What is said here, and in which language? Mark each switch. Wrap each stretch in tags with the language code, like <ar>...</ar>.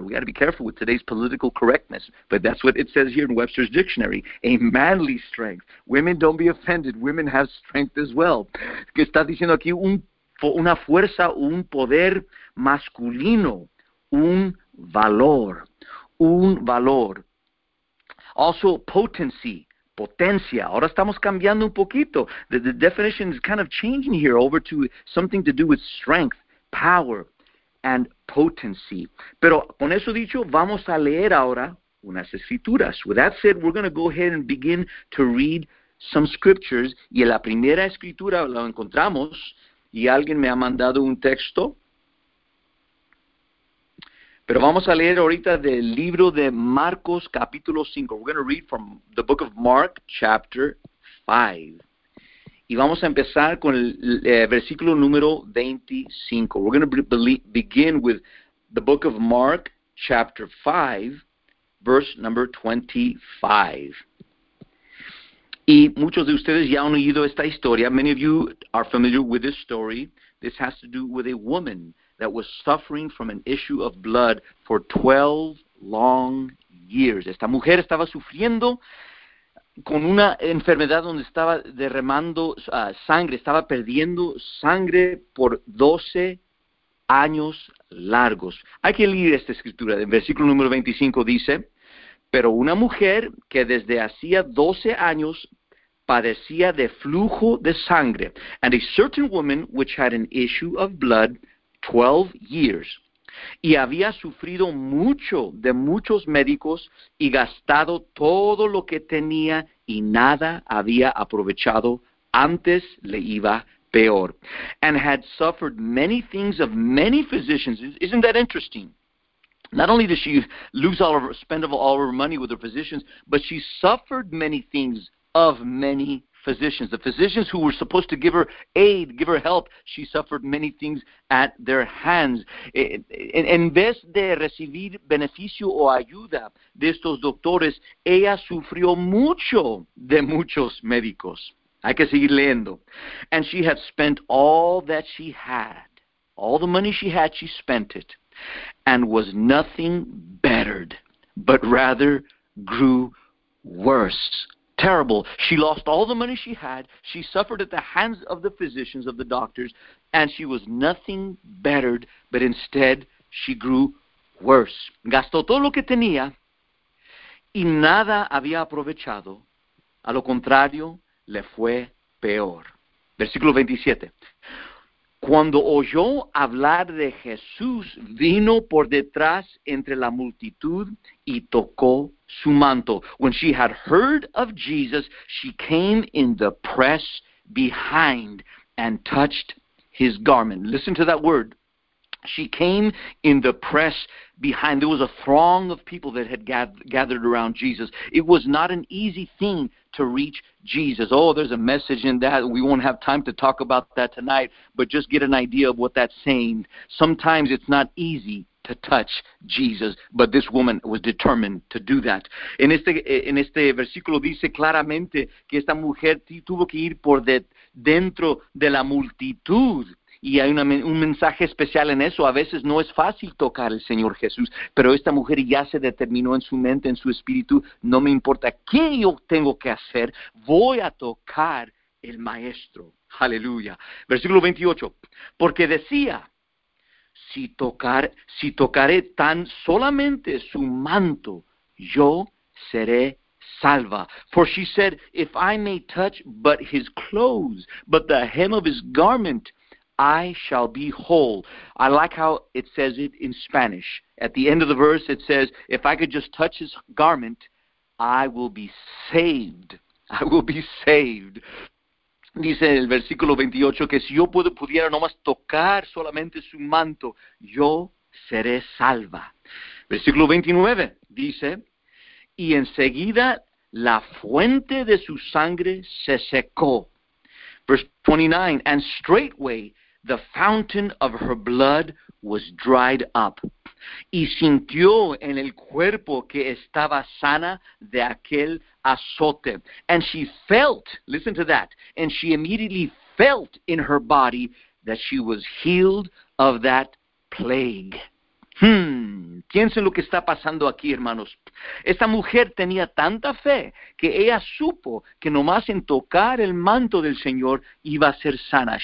<en>We got to be careful with today's political correctness, but that's what it says here in Webster's Dictionary. A manly strength. Women, don't be offended. Women have strength as well.</en> <es>Que está diciendo aquí una fuerza, un poder masculino, un valor, un valor.</es> <en>Also, potency.</en> <es>Potencia. Ahora estamos cambiando un poquito.</es> <en>The definition is kind of changing here over to something to do with strength, power, and potency.</en> <es>Pero con eso dicho, vamos a leer ahora unas escrituras.</es> <en>With that said, we're going to go ahead and begin to read some scriptures.</en> <es>Y en la primera escritura la encontramos y alguien me ha mandado un texto. Pero vamos a leer ahorita del libro de Marcos, capítulo 5.</es> <en>We're going to read from the book of Mark, chapter 5.</en> <es>Y vamos a empezar con el versículo número 25.</es> <en>We're going to begin with the book of Mark, chapter 5, verse number 25.</en> <es>Y muchos de ustedes ya han oído esta historia.</es> <en>Many of you are familiar with this story. This has to do with a woman that was suffering from an issue of blood for 12 long years.</en> <es>Esta mujer estaba sufriendo con una enfermedad donde estaba derramando sangre, estaba perdiendo sangre por 12 años largos. Hay que leer esta escritura. El versículo número 25 dice: Pero una mujer que desde hacía 12 años padecía de flujo de sangre,</es> <en>and a certain woman which had an issue of blood 12 years,</en> <es>y había sufrido mucho de muchos médicos y gastado todo lo que tenía y nada había aprovechado, antes le iba peor.</es> <en>And had suffered many things of many physicians. Isn't that interesting? Not only did she lose all of her, spend all of her money with her physicians, but she suffered many things of many physicians. The physicians who were supposed to give her aid, give her help, she suffered many things at their hands.</en> <es>En vez de recibir beneficio o ayuda de estos doctores, ella sufrió mucho de muchos médicos. Hay que seguir leyendo.</es> <en>And she had spent all that she had. All the money she had, she spent it. And was nothing bettered, but rather grew worse. Terrible. She lost all the money she had. She suffered at the hands of the physicians, of the doctors, and she was nothing bettered, but instead she grew worse.</en> <es>Gastó todo lo que tenía y nada había aprovechado. A lo contrario, le fue peor. Versículo 27. Cuando oyó hablar de Jesús, vino por detrás entre la multitud y tocó su manto.</es> <en>When she had heard of Jesus, she came in the press behind and touched his garment. Listen to that word. She came in the press behind. There was a throng of people that had gathered around Jesus. It was not an easy thing to reach Jesus. Oh, there's a message in that. We won't have time to talk about that tonight, but just get an idea of what that's saying. Sometimes it's not easy to touch Jesus, but this woman was determined to do that.</en> <es>En este versículo dice claramente que esta mujer tuvo que ir por dentro de la multitud. Y hay un mensaje especial en eso. A veces no es fácil tocar al Señor Jesús, pero esta mujer ya se determinó en su mente, en su espíritu, no me importa qué yo tengo que hacer, voy a tocar el Maestro. Aleluya. Versículo 28. Porque decía, si tocaré tan solamente su manto, yo seré salva.</es> <en>For she said, if I may touch but his clothes, but the hem of his garment, I shall be whole. I like how it says it in Spanish. At the end of the verse, it says, if I could just touch his garment, I will be saved. I will be saved.</en> <es>Dice el versículo 28, que si yo pudiera nomás tocar solamente su manto, yo seré salva. Versículo 29 dice, y enseguida la fuente de su sangre se secó.</es> <en>Verse 29, and straightway, the fountain of her blood was dried up.</en> <es>Y sintió en el cuerpo que estaba sana de aquel azote.</es> <en>And she felt, listen to that, and she immediately felt in her body that she was healed of that plague.</en> <es>Piensen lo que está pasando aquí, hermanos. Esta mujer tenía tanta fe que ella supo que nomás en tocar el manto del Señor iba a ser sana.</es>